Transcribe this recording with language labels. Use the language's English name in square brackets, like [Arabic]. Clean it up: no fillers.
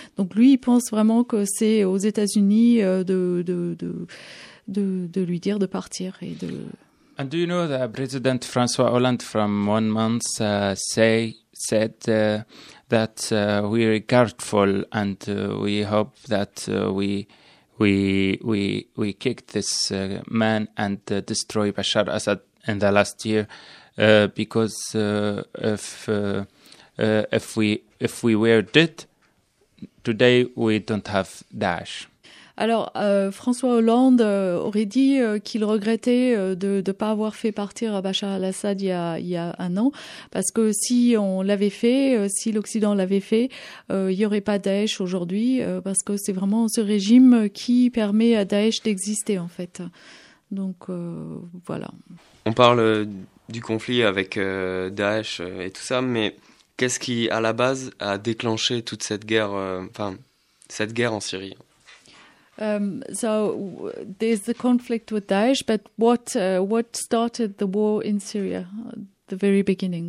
[French] Donc lui, il pense vraiment que c'est aux États-Unis de lui dire de partir et de. [English] And do you know that President François Hollande from 1 month said that we are regardful and we hope that we kicked this man and destroy Bashar Assad in the last year because if we were dead today we don't have Daesh. [French] Alors, François Hollande aurait dit qu'il regrettait de ne pas avoir fait partir Bachar al-Assad il y a un an, parce que si on l'avait fait, si l'Occident l'avait fait, il n'y aurait pas Daesh aujourd'hui, parce que c'est vraiment ce régime qui permet à Daesh d'exister, en fait. Donc, voilà. On parle du conflit avec Daesh et tout ça, mais qu'est-ce qui, à la base, a déclenché toute cette guerre, cette guerre en Syrie? [English] So there's the conflict with Daesh, but what started the war in Syria, the very beginning?